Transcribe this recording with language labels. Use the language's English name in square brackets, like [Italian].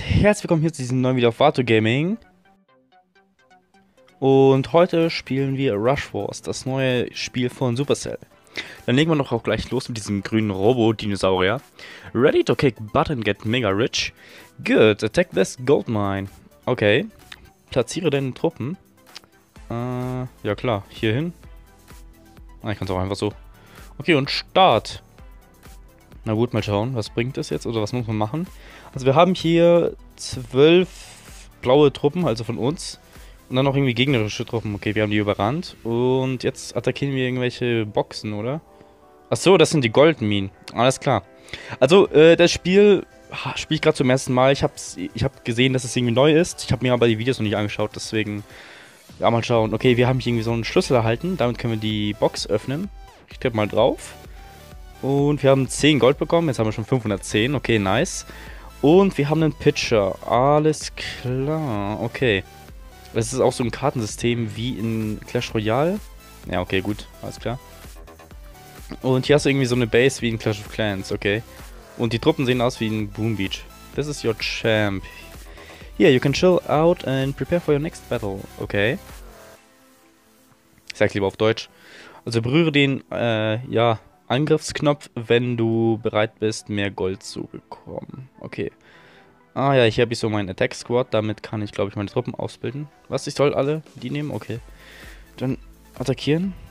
[German] Herzlich willkommen hier zu diesem neuen Video auf Vato Gaming. Und heute spielen wir Rush Wars, das neue Spiel von Supercell. Dann legen wir doch auch gleich los mit diesem grünen Robo-Dinosaurier. [English] Ready to kick butt and get mega rich? Good, attack this gold mine. [German] Okay, platziere deine Truppen. Ja klar, hier hin. Ah, ich kann es auch einfach so. Okay, und Start. Na gut, mal schauen, was bringt das jetzt oder was muss man machen? Also wir haben hier 12 blaue Truppen, also von uns. Und dann noch irgendwie gegnerische Truppen. Okay, wir haben die überrannt. Und jetzt attackieren wir irgendwelche Boxen, oder? Ach so, das sind die Goldminen. Alles klar. Also, das Spiel spiele ich gerade zum ersten Mal. Ich hab gesehen, dass es irgendwie neu ist. Ich habe mir aber die Videos noch nicht angeschaut, deswegen. Ja, mal schauen. Okay, wir haben hier irgendwie so einen Schlüssel erhalten. Damit können wir die Box öffnen. Ich tippe mal drauf. Und wir haben 10 Gold bekommen. Jetzt haben wir schon 510. Okay, nice. Und wir haben einen Pitcher. Alles klar. Okay. Es ist auch so ein Kartensystem wie in Clash Royale. Ja, okay, gut. Alles klar. Und hier hast du irgendwie so eine Base wie in Clash of Clans. Okay. Und die Truppen sehen aus wie in Boom Beach. [English] This is your champ. Here, you can chill out and prepare for your next battle. [German] Okay. Ich sag's lieber auf Deutsch. Also berühre den, ja. Angriffsknopf, wenn du bereit bist, mehr Gold zu bekommen. Okay. Ah ja, hier habe ich so meinen Attack Squad. Damit kann ich, glaube ich, meine Truppen ausbilden. Was? Ich soll alle die nehmen? Okay. Dann attackieren.